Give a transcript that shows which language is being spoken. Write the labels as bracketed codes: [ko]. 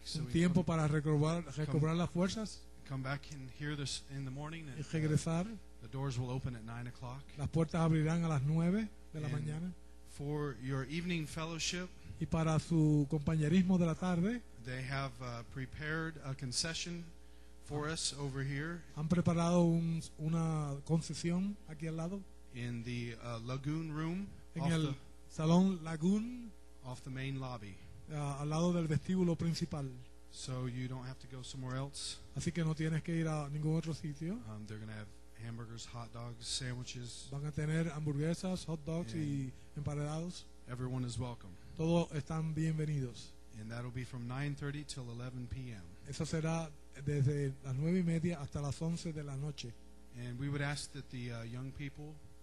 [es] So un tiempo come, para recobrar las fuerzas. [en] Come back in here this in the morning. [es] Y regresar. [en] The doors will open at 9 o'clock. [es] Las puertas abrirán a las 9 de la [en] and [es] mañana. [en] For your evening fellowship. [es] Y para su compañerismo de la tarde. [en] They have prepared a concession for us over here. [es] Han preparado una concesión aquí al lado. [en] In the lagoon room. [es] En el salón lagoon. [en] Off the main lobby. [es] Al lado del vestíbulo principal. [en] So you don't have to go somewhere else. [es] Así que no tienes que ir a ningún otro sitio. [en] They're going to have hamburgers, hot dogs, sandwiches. [es] Van a tener hamburguesas, hot dogs y emparedados. [en] Everyone is welcome. [es] Todos están bienvenidos. [en] And that'll be from 9:30 till 11 p.m. [es] Eso será desde las 9 y media hasta las 11 de la noche. [en] And we would ask that the young people.